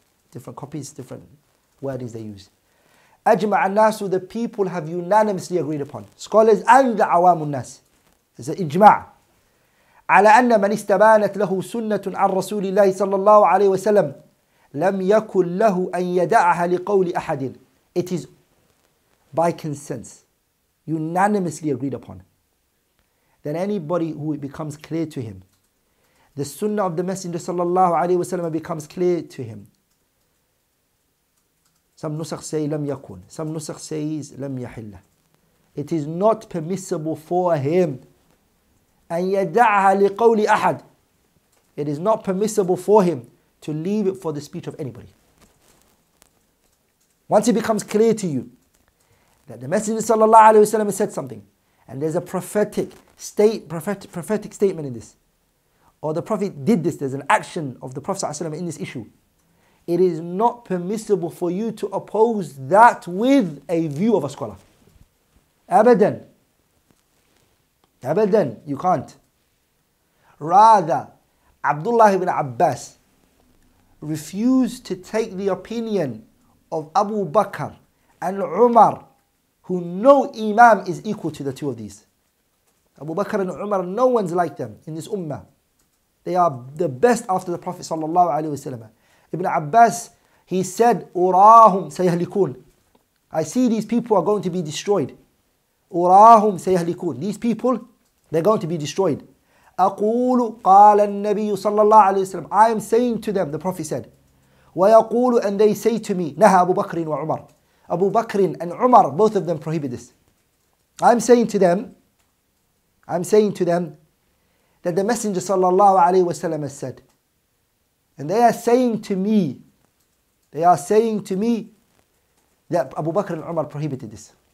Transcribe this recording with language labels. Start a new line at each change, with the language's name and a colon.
English: Different copies, different wordings they use.
Arabic: أجمع الناس,
English: the people have unanimously agreed upon. Scholars and the
Arabic: عوام الناس.
English: It's an ijma.
Arabic: على أن من استبانت له سنة عن رسول الله صلى الله عليه وسلم لم يكن له أن يدعها لقول أحد.
English: It is by consent, unanimously agreed upon, that anybody who it becomes clear to him, the sunnah of the Messenger sallallahu alayhi wa sallam becomes clear to him. Some nusakh say
Arabic: لم يكون,
English: some nusakh says
Arabic: لم يحل.
English: It is not permissible for him
Arabic: أن يدعها لقول أحد.
English: It is not permissible for him to leave it for the speech of anybody. Once it becomes clear to you that the Messenger sallallahu alayhi wa sallam has said something, and there's a prophetic statement in this, or the Prophet did this, there's an action of the Prophet sallallahu alayhi wa sallam in this issue, it is not permissible for you to oppose that with a view of a scholar. Abadan. Abadan, you can't. Rather, Abdullah ibn Abbas refused to take the opinion of Abu Bakr and Umar, who no imam is equal to the two of these. Abu Bakr and Umar, no one's like them in this ummah. They are the best after the Prophet sallallahu alaihi wasallam. Ibn Abbas, he said, "Urahum sayahlikun." I see these people are going to be destroyed. "Urahum sayahlikun." These people, they're going to be destroyed.
Arabic: أقول قال النبي صلى الله عليه وسلم.
English: I am saying to them, the Prophet said.
Arabic: ويقول,
English: and they say to me,
Arabic: نهى أبو بكر وعمر.
English: Abu Bakr and Umar, both of them prohibit this. I'm saying to them that the Messenger sallallahu alayhi wasallam has said, and they are saying to me that Abu Bakr and Umar prohibited this.